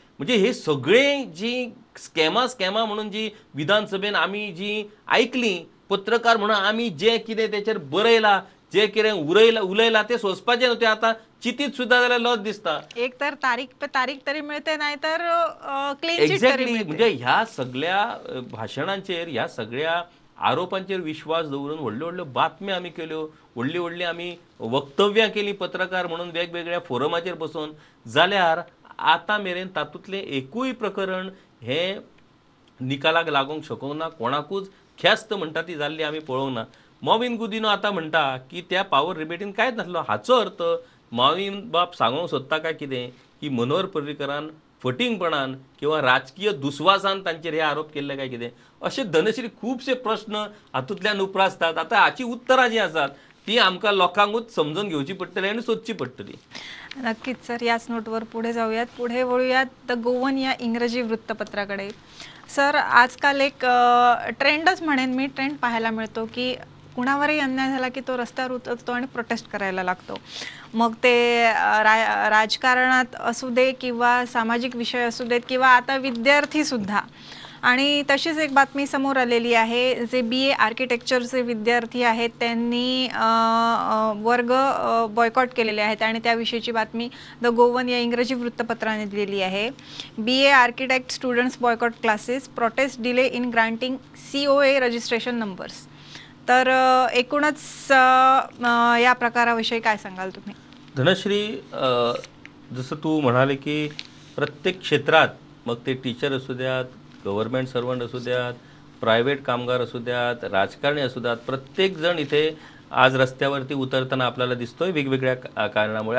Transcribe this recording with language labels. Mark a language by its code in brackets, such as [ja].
[gom] म्हणजे ही सगळीं जी स्कॅमां स्कॅमां म्हणून जी विधानसभेन आमी जी आयकलीं, पत्रकार म्हणून आमी जे कितें तेचेर बरयलां, जे कितें उलयलां तें सोंसपाचें न्हू. तें आतां चितीत सुद्दां जाल्यार लज दिसता. एक तर तारीख पे तारीख तरी मेळते नाहीतर क्लीन [en] Exactly. [gom] म्हणजे ह्या सगळ्या भाशणांचेर, ह्या सगळ्या आरोपांचेर विश्वास दवरून व्हडल्यो व्हडल्यो बातम्यो आमी केल्यो, व्हडलीं व्हडलीं आमी वक्तव्यां केलीं पत्रकार म्हणून वेगवेगळ्या फोरमाचेर बसून. जाल्यार आतां मेरेन तातूंतलें एकूय प्रकरण हें निकालाक लागूंक शकूंक ना. कोणाकूच ख्यास्त म्हणटा ती जाल्ली आमी पळोवंक ना. मोविन गुदिनो आतां म्हणटा की त्या पावर रिबेटीन कांयच नासलो. हाचो अर्थ मोविन बाब सांगूंक सोदता काय कितें, की मनोहर पर्रीकरान फटींगपणान किंवा राजकीय दुस्वासान तांचेर हे आरोप केल्ले काय कितें. अशे धनश्री खुबशे प्रस्न हातूंतल्यान उप्रासतात. आतां हाची उत्तरां जीं आसात ती आमकां लोकांकूच समजून घेवची पडटली आनी सोदची पडटली. [mr] नक्कीच सर, ह्याच नोटवर पुढे जाऊयात. पुढे वळूयात द गोवन या इंग्रजी वृत्तपत्राकडे. सर, आजकाल एक ट्रेंडच म्हणेन मी, ट्रेंड पाहायला मिळतो की कुणावरही अन्याय झाला की तो रस्त्यावर उतरतो आणि प्रोटेस्ट करायला लागतो. मग ते राजकारणात असू दे किंवा सामाजिक विषय असू देत किंवा आता विद्यार्थीसुद्धा. आणि तशीच एक बातमी समोर आलेली आहे, जे BA आर्किटेक्चरचे विद्यार्थी आहेत त्यांनी वर्ग बॉयकॉट केलेले आहेत आणि त्याविषयीची बातमी द गोवन या इंग्रजी वृत्तपत्राने दिलेली आहे. [en] BA architect students boycott classes, protest delay in granting COA registration numbers. [mr] तर एकूणच या प्रकाराविषयी काय सांगाल तुम्ही धनश्री? जसं तू म्हणाले की प्रत्येक क्षेत्रात, मग ते टीचर असू द्यात, गव्हर्नमेंट सर्वंट असू द्यात, प्रायव्हेट कामगार असू द्यात, राजकारणी असू द्यात, प्रत्येक जण इथे आज रस्त्यावरती उतरताना आपल्याला दिसतोय वेगवेगळ्या कारणामुळे.